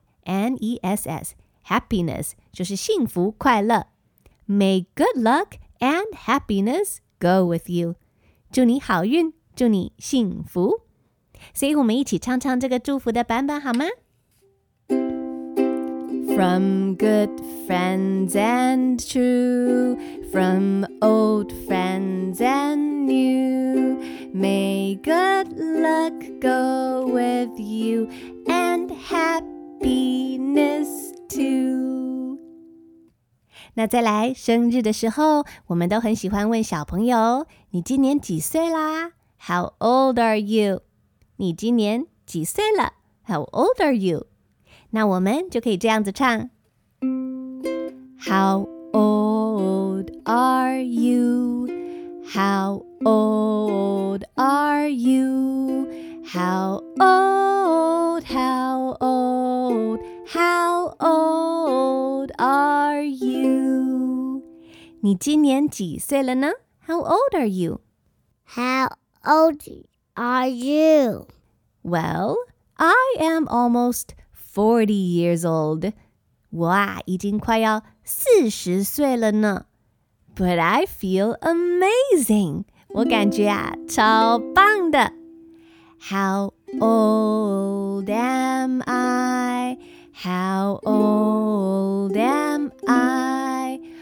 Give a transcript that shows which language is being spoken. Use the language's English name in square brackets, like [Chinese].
[Chinese] happiness， happiness 就是幸福快乐。 [English] May good luck and happiness go with you. [Chinese] 祝你好运，祝你幸福。所以我们一起唱唱这个祝福的版本好吗？ [English] From good friends and true, from old friends and new, may good luck go with you and happiness too. [Chinese] 那再来，生日的时候我们都很喜欢问小朋友，你今年几岁啦？ [English] How old are you? [Chinese] 你今年几岁了？ [English] How old are you? [Chinese] 那我们就可以这样子唱。 [English] How old are you? How old are you? How old, how old, how old are you? [Chinese] 你今年几岁了呢？ [English] How old are you? How old are you? Well, I am almost 40 years old. [Chinese] 我啊，已经快要四十岁了呢。 [English] But I feel amazing. [Chinese] 我感觉啊，超棒的。 [English] How old am I? How old am I?